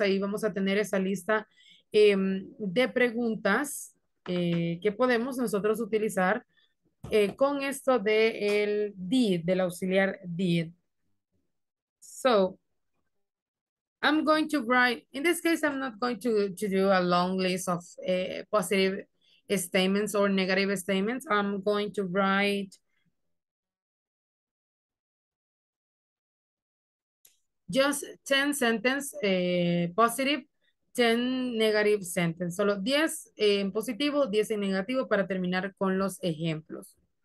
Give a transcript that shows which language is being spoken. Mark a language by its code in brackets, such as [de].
[es] Ahí vamos a tener esa lista de preguntas que podemos nosotros utilizar con esto de el did, del auxiliar did. [en] So, I'm going to write, in this case, I'm not going to do a long list of positive statements or negative statements. I'm going to write just 10 sentences positive, 10 negative sentences. [es] Solo 10 en positivo, 10 en negativo para terminar con los ejemplos.